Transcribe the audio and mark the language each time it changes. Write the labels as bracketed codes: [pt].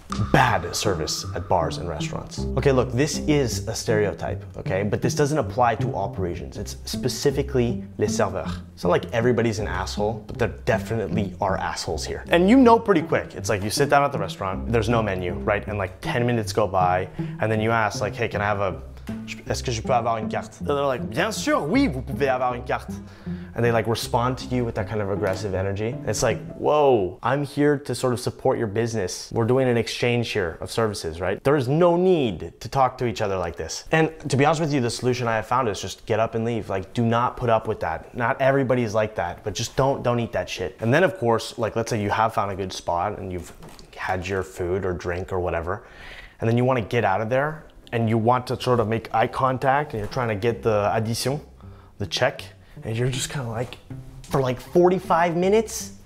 [en] Bad service at bars and restaurants. Okay, look, this is a stereotype, okay? But this doesn't apply to all Parisians. It's specifically [fr] les serveurs. [en] It's not like everybody's an asshole, but there definitely are assholes here. And you know pretty quick. It's like you sit down at the restaurant, there's no menu, right? And like 10 minutes go by, and then you ask, like, hey, can I have a... [fr] Est-ce que je peux avoir une carte? [en] And they're like, [fr] bien sûr, oui, vous pouvez avoir une carte. [en] And they like respond to you with that kind of aggressive energy. And it's like, whoa, I'm here to sort of support your business. We're doing an exchange here of services, right? There is no need to talk to each other like this. And to be honest with you, the solution I have found is just get up and leave. Like, do not put up with that. Not everybody is like that, but just don't eat that shit. And then of course, like, let's say you have found a good spot and you've had your food or drink or whatever, and then you want to get out of there, and you want to sort of make eye contact, and you're trying to get the addition, the check, and you're just kind of like, for like 45 minutes?